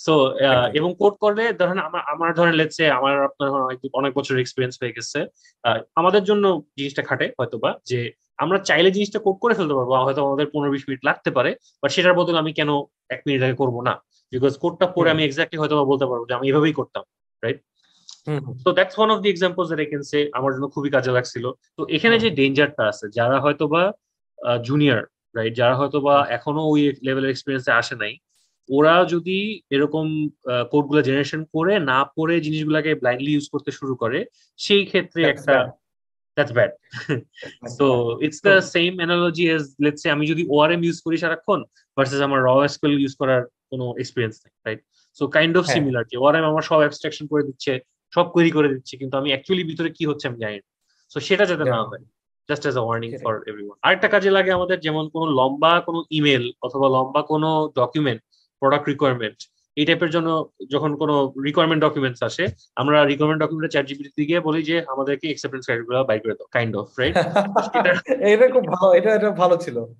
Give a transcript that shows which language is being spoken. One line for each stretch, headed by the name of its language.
Bangla: So এবং code করলে ধরেন আমার ধরেন লেটস সে আমার আপনার অনেক বছরের এক্সপিরিয়েন্স হয়ে গেছে, আমাদের জন্য জিনিসটা খাটে হয়তো বা যে আমরা চাইলে জিনিসটা কোড করে ফেলতে পারবো, হয়তো আমাদের 15-20 মিনিট লাগতে পারে, বাট সেটার বদলে আমি কেন 1 মিনিট আগে করবো না, বিকজ কোডটা পরে আমি এক্সাক্টলি হয়তো বা বলতে পারবো যে আমি এভাবেই করতাম, right?
English: So that's one of the examples that I can say
Bangla: আমার জন্য খুবই কাজে লাগছিল। তো এখানে যে ডেঞ্জারটা আছে, যারা হয়তো বা জুনিয়র, রাইট, যারা হয়তো বা এখনো ওই লেভেলের এক্সপিরিয়েন্সে আসে নাই, ওরা যদি এরকম কোড গুলো জেনারেশন করে না পড়ে জিনিসগুলাকে ব্লাইন্ডলি ইউজ করতে শুরু করে, সেই ক্ষেত্রে একটা that's bad.
English: so it's the same analogy as let's say
Bangla: আমি যদি ওআরএম ইউজ করি সারাক্ষণ ভার্সেস আমার র এসকিউএল ইউজ করার কোনো এক্সপিরিয়েন্স নেই, right? So kind of similar, যে ওআরএম আমার সব অ্যাবস্ট্রাকশন করে দিচ্ছে, সব কোয়েরি করে দিচ্ছে কিন্তু আমি অ্যাকচুয়ালি ভিতরে কি হচ্ছে আমি জানি না।
English: so
Bangla: সেটা যাতে না হয়,
English: just as a warning for everyone.
Bangla: আর একটা কাজে লাগে আমাদের, যেমন কোনো লম্বা কোনো ইমেল অথবা লম্বা কোনো ডকুমেন্ট, প্রোডাক্ট রিকোয়ারমেন্ট এই টাইপের জন্য যখন কোনো রিকোয়ারমেন্ট ডকুমেন্টস আসে, আমরা রিকোয়ারমেন্ট ডকুমেন্টে চ্যাট জিপিটি গিয়ে বলি যে আমাদেরকে এক্সেপ্টেন্স ক্রাইটেরিয়া বাই করে দাও, কাইন্ড অফ, রাইট? এটা খুব ভালো, এটা ভালো ছিল।